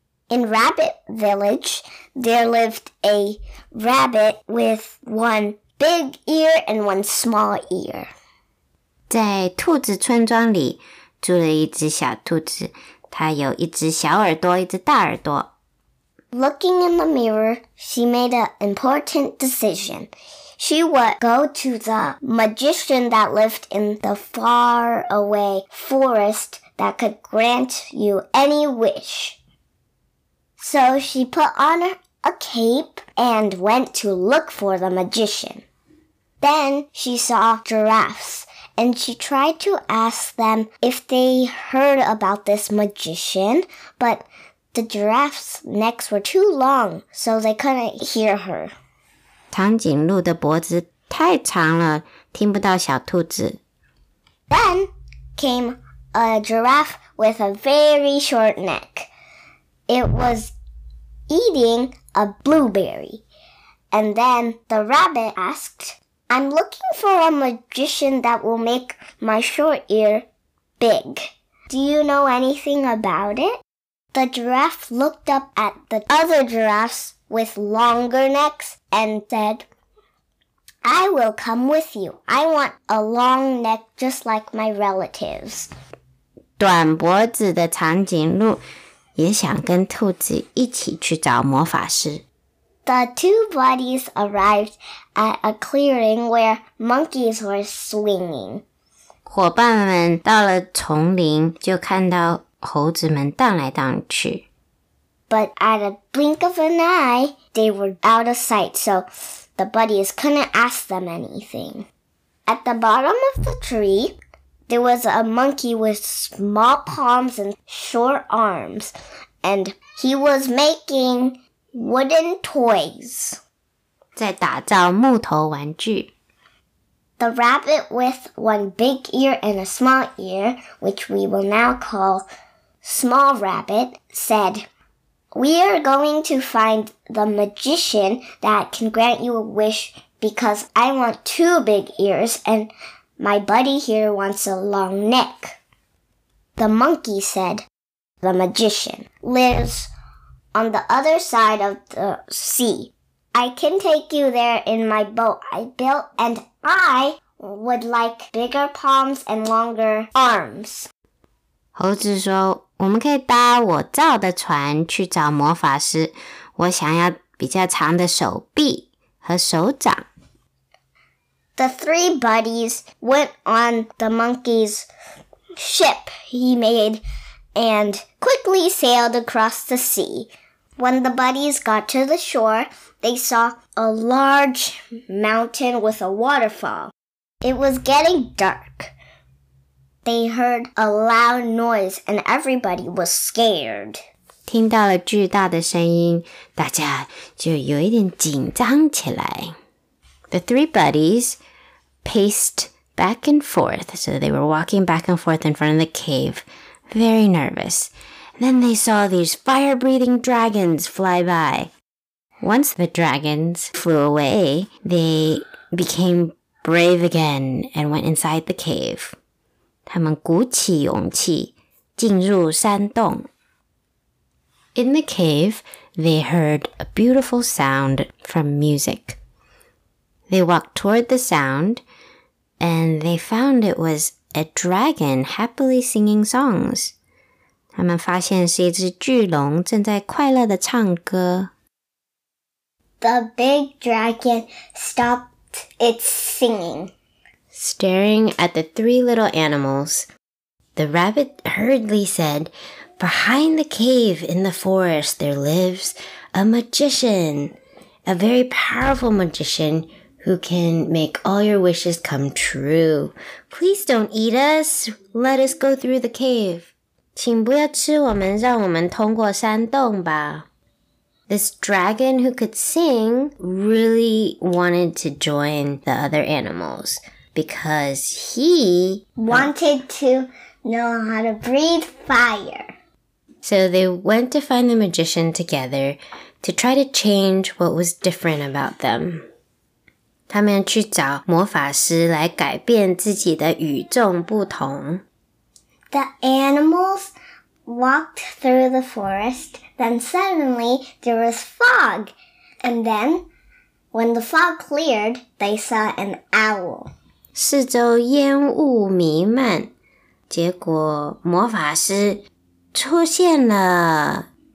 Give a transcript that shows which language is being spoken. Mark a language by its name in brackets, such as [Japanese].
[English] In Rabbit Village, there lived a rabbit with one big ear and one small ear. [Chinese] 在兔子村庄里住了一只小兔子，它有一只小耳朵，一只大耳朵。 [English] Looking in the mirror, she made an important decision. She would go to the magician that lived in the far away forest that could grant you any wish. So she put on a cape and went to look for the magician. Then she saw giraffes, and she tried to ask them if they heard about this magician, but the giraffes' necks were too long, so they couldn't hear her. [Chinese] 长颈鹿的脖子太长了，听不到小兔子。 [English] Then came a giraffe with a very short neck. It was eating a blueberry. And then the rabbit asked, I'm looking for a magician that will make my short ear big. Do you know anything about it? The giraffe looked up at the other giraffes with longer necks and said, I will come with you. I want a long neck just like my relatives. [Chinese] 短脖子的长颈鹿也想跟兔子一起去找魔法师。 [English] The two buddies arrived at a clearing where monkeys were swinging. [Chinese] 伙伴们到了丛林，就看到猴子们荡来荡去。 [English] But at a blink of an eye, they were out of sight, so the buddies couldn't ask them anything. At the bottom of the tree, there was a monkey with small palms and short arms, and he was making wooden toys. [Chinese] 在打造木头玩具。 [English] The rabbit with one big ear and a small ear, which we will now call Small Rabbit, said, We are going to find the magician that can grant you a wish because I want two big ears and my buddy here wants a long neck. The monkey said, The magician lives on the other side of the sea. I can take you there in my boat I built and I would like bigger palms and longer arms. [Chinese] 猴子说我们可以搭我造的船去找魔法师。我想要比较长的手臂和手掌。 [English] The three buddies went on the monkey's ship he made and quickly sailed across the sea. When the buddies got to the shore, they saw a large mountain with a waterfall. It was getting dark. They heard a loud noise and everybody was scared. [Chinese] 听到了巨大的声音，大家就有一点紧张起来。 [English] The three buddies paced back and forth, so they were walking back and forth in front of the cave, very nervous. Then they saw these fire-breathing dragons fly by. Once the dragons flew away, they became brave again and went inside the cave. [Chinese] 他们鼓起勇气进入山洞。 [English] In the cave, they heard a beautiful sound from music. They walked toward the sound, and they found it was a dragon happily singing songs. [Chinese] 他们发现是一只巨龙正在快乐地唱歌。 [English] The big dragon stopped its singing. Staring at the three little animals, the rabbit hurriedly said, Behind the cave in the forest there lives a magician, a very powerful magician who can make all your wishes come true. Please don't eat us. Let us go through the cave. [Chinese] 请不要吃我们，让我们通过山洞吧。 [English] This dragon who could sing really wanted to join the other animals because he wanted to know how to breathe fire. So they went to find the magician together to try to change what was different about them. [Chinese] 他们去找魔法师来改变自己的与众不同。 [English] The animals walked through the forest, then suddenly there was fog. And then, when the fog cleared, they saw an owl. [Chinese] 四周烟雾弥漫，结果魔法师出现了。